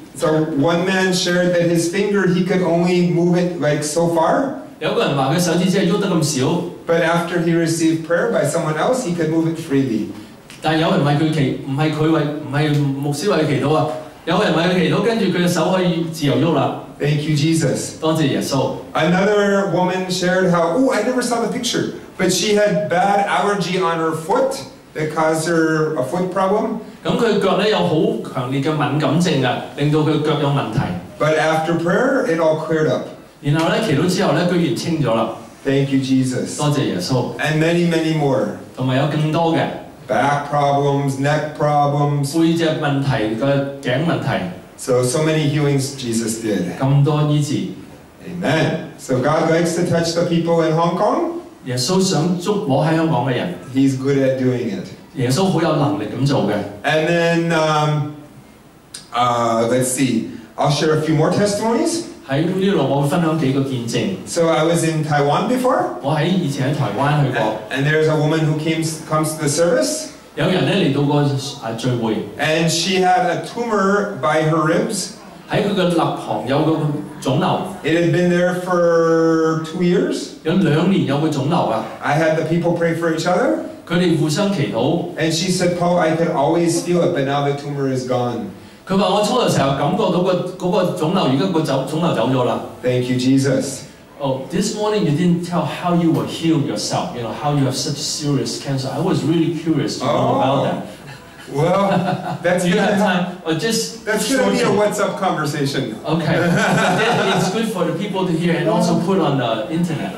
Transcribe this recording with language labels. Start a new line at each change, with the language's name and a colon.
English: So one man shared that his finger he could only move it like so far.
Cantonese: 有個人話佢手指只係喐得咁少。
English: But after he received prayer by someone else, he could move it freely.
Cantonese: 但有人為佢祈，唔係牧師為佢祈禱啊！有人為佢祈禱，跟住佢嘅手可以自由喐啦。
English: Thank you, Jesus.
Cantonese: 多謝耶穌。
English: Another woman shared how, oh, I never saw the picture, but she had bad allergy on her foot that caused her a foot problem.
Cantonese: 咁佢腳咧有好強烈嘅敏感症啊，令到佢腳有問題。
English: But after prayer, it all cleared up.
Cantonese: 然後咧祈禱之後咧，佢完清咗啦。
English: Thank you, Jesus.
Cantonese: 多謝耶穌。
English: And many, many more.
Cantonese: 同埋有更多嘅。
English: Back problems, neck problems.
Cantonese: 背脊問題，個頸問題。
English: So many healings Jesus did.
Cantonese: 咁多醫治。
English: Amen. So God likes to touch the people in Hong Kong.
Cantonese: 耶穌想觸摸喺香港嘅人。
English: He's good at doing it.
Cantonese: 耶穌好有能力咁做嘅。
English: And then, let's see. I'll share a few more testimonies.
Cantonese: 喺呢度，我會分享幾個見證。
English: So I was in Taiwan before.
Cantonese: 我喺以前喺台灣去過。
English: And there's a woman who comes to the service.
Cantonese: 有人咧嚟到個聚會。
English: And she had a tumor by her ribs.
Cantonese: 喺佢個肋旁有個腫瘤。
English: It had been there for 2 years.
Cantonese: 有兩年有個腫瘤啊。
English: I had the people pray for each other.
Cantonese: 佢哋互相祈禱。
English: And she said, Paul, I could always feel it, but now the tumor is gone.
Cantonese: 佢話：我初頭成日感覺到個腫瘤，而家個腫瘤走咗啦。
English: Thank you, Jesus. Oh, this morning you didn't tell how you were healed yourself. You know how you have such serious cancer. I was really curious to know about that. Well, that's you have time. Or just that's gonna be a WhatsApp conversation. Okay, it's good for the people to hear and also put on the internet.